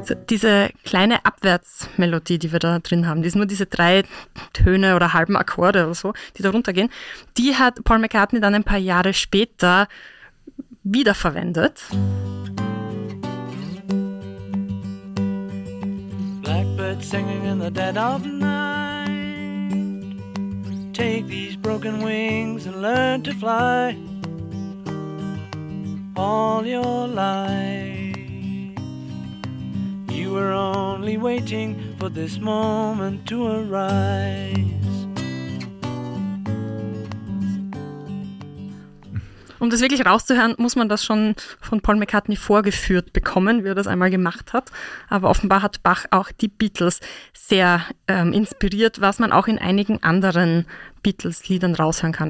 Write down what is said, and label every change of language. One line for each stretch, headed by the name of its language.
German: Diese kleine Abwärtsmelodie, die wir da drin haben, die ist nur diese drei Töne oder halben Akkorde oder so, die da runtergehen, die hat Paul McCartney dann ein paar Jahre später wiederverwendet.
English: Blackbird singing in the dead of night. Take these broken wings and learn to fly. All your life, you were only waiting for this moment to arise.
German: Um das wirklich rauszuhören, muss man das schon von Paul McCartney vorgeführt bekommen, wie er das einmal gemacht hat. Aber offenbar hat Bach auch die Beatles sehr inspiriert, was man auch in einigen anderen Beatles-Liedern raushören kann.